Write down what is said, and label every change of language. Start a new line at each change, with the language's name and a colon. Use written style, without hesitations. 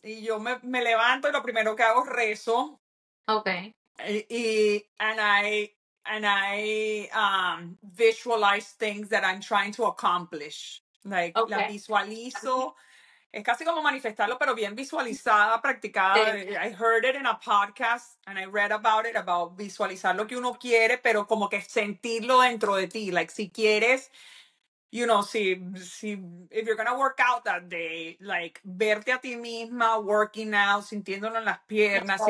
Spanish: Y yo me levanto y lo primero que hago es rezo.
English: Okay. And I visualize things that I'm trying to accomplish. Like, okay.
Spanish: La visualizo. Es casi como manifestarlo, pero bien visualizada, practicada.
English: I heard it in a podcast and I read about it, about
Spanish: visualizar lo que uno quiere, pero como que sentirlo dentro de ti.
English: Like,
Spanish: si quieres,
English: you know,
Spanish: si
English: if you're going to work out that day, like,
Spanish: verte a ti misma
English: working out,
Spanish: sintiéndolo en las piernas,
English: right.